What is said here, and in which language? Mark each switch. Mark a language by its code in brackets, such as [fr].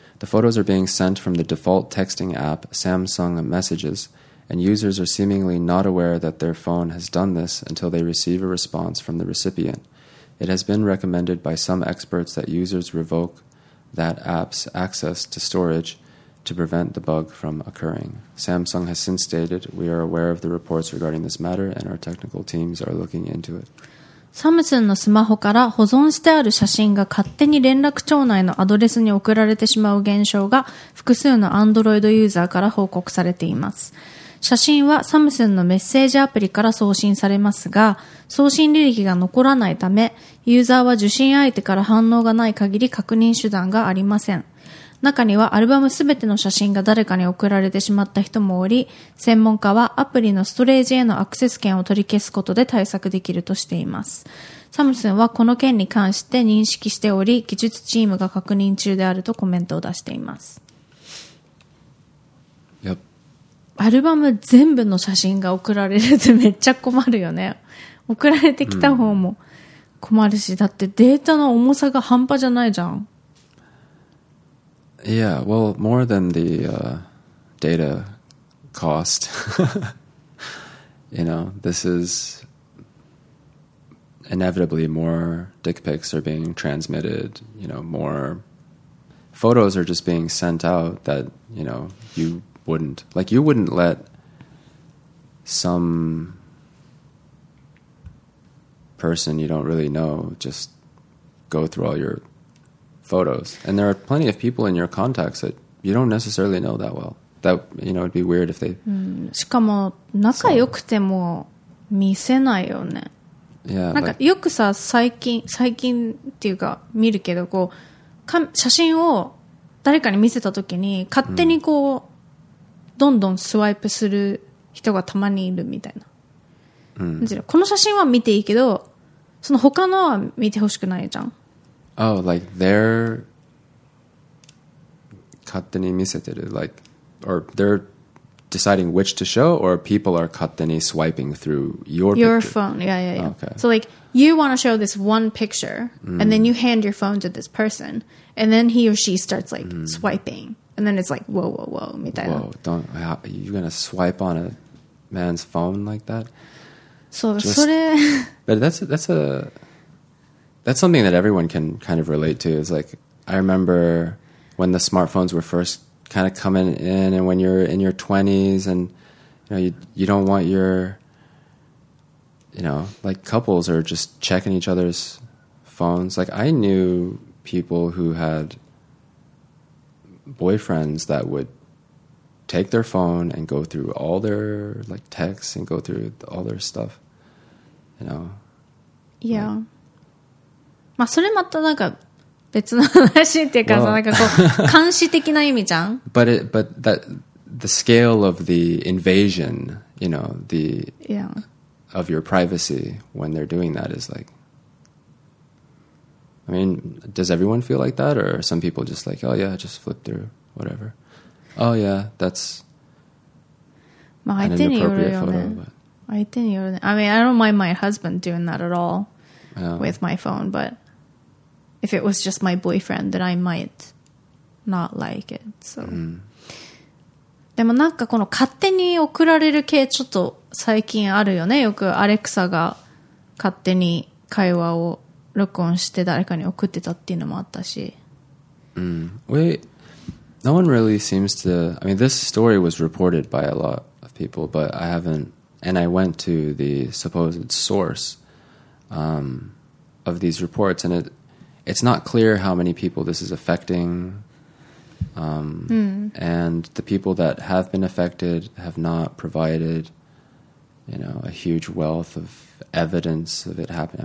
[en] The photos are being sent from the default texting app, Samsung Messages, and users are seemingly not aware that their phone has done this until they receive a response from the recipient. It has been recommended by some experts that users revoke that app's access to storage to prevent the bug from occurring. Samsung has since stated, "We are aware of the reports regarding this matter and our technical teams are looking into it." [ja] サムスンのスマホから保存してある写真が勝手に連絡帳内のアドレスに送られてしまう現象が複数の Android ユーザーから報告されています。写真はサムスンのメッセージアプリから送信されますが、送信履歴が残らないため、ユーザーは受信相手から反応がない限り確認手段がありません。中にはアルバムすべての写真が誰かに送られてしまった人もおり、専門家はアプリのストレージへのアクセス権を取り消すことで対策できるとしています。サムスンはこの件に関して認識しており、技術チームが確認中であるとコメントを出しています。 [en] Yep. [ja] アルバム全部の写真が送られるってめっちゃ困るよね。送られてきた方も困るし、だってデータの重さが半端じゃないじゃん。 [en] Yeah, well, more than the data cost, you know, this is inevitably more dick pics are being transmitted, you know, more photos are just being sent out that, you know, you wouldn't, like you wouldn't let some person you don't really know just go through all your... photos. And there are plenty of people in your contacts that you don't necessarily know that well. That, you know, it'd be weird if they... [ja] しかも仲良くても見せないよね。 [en] Yeah, [ja] なんかよくさ、最近っていうか見るけど、こう、写真を誰かに見せた時に勝手にこう、どんどんスワイプする人がたまにいるみたいな。この写真は見ていいけど、その他のは見てほしくないじゃん。 [en] Oh, like they're [ja] 勝手に見せてる [en] like, or they're deciding which to show, or people are [ja] 勝手に [en] swiping through your phone. Yeah, yeah, yeah. Okay. So like, you want to show this one picture, and then you hand your phone to this person, and then he or she starts like swiping, and then it's like, whoa, whoa, whoa, [ja] みたいな。 [en] Whoa, don't, are you going to swipe on a man's phone like that? So, just, [ja] それ [en] But that's a... That's something that everyone can kind of relate to. It's like, I remember when the smartphones were first kind of coming in and when you're in your 20s and you know, you don't want your, you know, like couples are just checking each other's phones. Like I knew people who had boyfriends that would take their phone and go through all their like texts and go through all their stuff, you know? Yeah. Like, [ja] まあそれまたなんか別の話っていうかさ、なんかこう監視的な意味じゃん。 [en] But it, but that the scale of the invasion, you know, the of your privacy when they're doing that is like, I mean, does everyone feel like that, or are some people just like, oh yeah, just flip through, whatever. Oh yeah, that's [ja] まあ相手によるよね。相手によるね。 [en] I mean, I don't mind my husband doing that at all. Yeah. With my phone, but if it was just my boyfriend, then I might not like it. So, [ja] でもなんかこの勝手に送られる系ちょっと最近あるよね。よくアレクサが勝手に会話を録音して誰かに送ってたっていうのもあったし。 [en] Wait, no one really seems to. I mean, this story was reported by a lot of people, but I haven't. And I went to the supposed source. Of these reports, and it's not clear how many people this is affecting, and the people that have been affected have not provided, you know, a huge wealth of evidence of it happening.